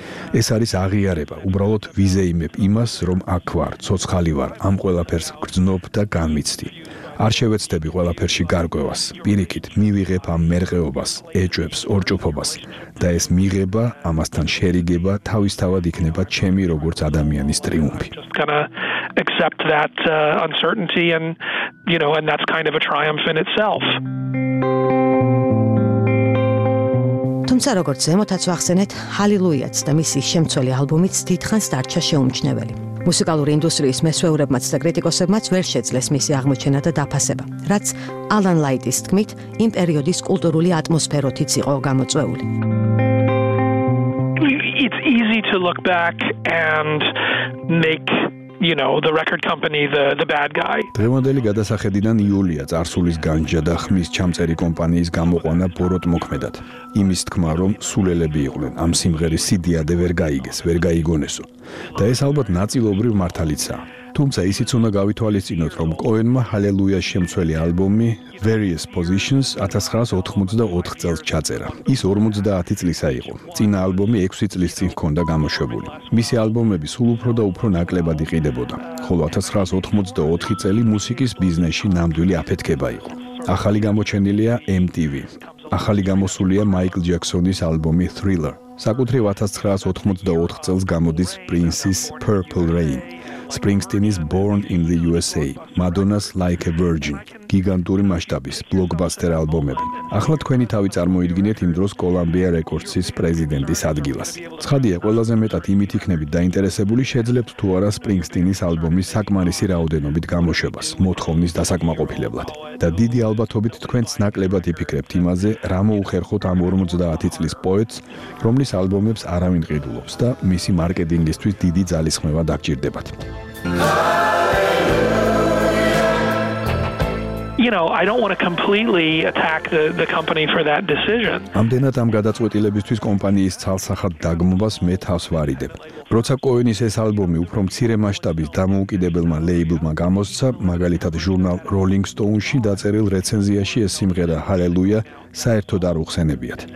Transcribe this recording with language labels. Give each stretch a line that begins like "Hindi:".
Georgian: ეს არის აღიარება, უბრალოდ ვიზეიმებ იმას, რომ აქ ვარ, ცოცხალი ვარ, ამ ყველაფერს გრძნობ და განმიცდი. არ შევეცდები ყველაფერში გარკვევას, პირიქით მივიღებ ამ მერყეობას, ეჭვებს, ორჭოფობას და ეს მიღება, ამასთან შერიგება თავისთავად იქნება ჩემი როგორც ადამიანის ტრიუმფი.
English: Accept that uncertainty and you know and that's kind of a triumph in itself.
Georgian: თუმცა როგორც ზემოთაც ვახსენეთ, ჰალელუიაც და მისი შემცველი ალბომიც დიდხანს დარჩა შეუმჩნეველი. მუსიკალური ინდუსტრიის მესვეურებმაც და კრიტიკოსებმაც ვერ შეძლეს მისი აღმოჩენა და დაფასება, რაც ალან ლაიტის თქმით, იმ პერიოდის კულტურული ატმოსფეროთიც იყო გამოწვეული.
English: It's easy to look back and make you know the record company the bad guy.
Georgian: დღევანდელი გადასახედიდან იულია წარსულის განჯა და ხმის ჩამწერი კომპანიის გამოყვანა ბოროტ მოქმედად. იმის თქმა რომ სულელები იყვნენ ამ სიმღერის სიდიადე ვერ გაიგეს, ვერ გაიგონესო. და ეს ალბათ ნაწილობრივ მართალიცაა. თუმცა ისიც უნდა გავითვალისწინოთ რომ კოენმა ჰალელუიას შემცველი ალბომი Various Positions 1984 წელს ჩაწერა. ის 50 წლისა იყო. წინა ალბომი 6 წლის წინ ჰქონდა გამოშვებული. მისი ალბომები სულ უფრო და უფრო ნაკლებად იყიდებოდა. ხოლო 1984 წელი მუსიკის ბიზნესში ნამდვილი აფეთქება იყო. ახალი გამოჩენილია MTV. ახალი გამოსულია Michael Jackson-ის ალბომი Thriller. საკუთრივ 1984 წელს გამოდის Prince-ის Purple Rain. Springsteen's Born in the USA, Madonna's Like a Virgin, გიგანტური მასშტაბის ბლოკბასტერ ალბომები. ახლა თქვენი თავი წარმოიდგინეთ იმ დროს Columbia Records-ის პრეზიდენტის ადგილას. ცხადია, ყველაზე მეტად იმით იქნებით დაინტერესებული, შეძლებთ თუ არა Springsteen-ის ალბომის საკმარისი რაოდენობით გამოშვებას, მოთხოვნის დასაკმაყოფილებლად. და დიდი ალბათობით თქვენც ნაკლებად იფიქრებთ იმაზე, რა მოუხერხოთ ამ 50 წლის პოეტს, რომლის ალბომებს არავინ ყიდულობს და მისი მარკეტინგისთვის დიდი ძალისხმევა დაგჭირდებათ.
English: You know, I don't want to completely attack the company for that decision.
Georgian: ამდენად ამ გადაწყვეტილებისთვის კომპანიის ცალსახად დაგმობას მე თავს ვარიდებ. როცა კოენის ეს ალბომი უფრო მცირე მასშტაბის დამოუკიდებელმა ლეიბლმა გამოსცა, მაგალითად ჟურნალ Rolling Stone-ში დაწერილ რეცენზიაში ეს სიმღერა Hallelujah საერთოდ არ უხსენებიათ.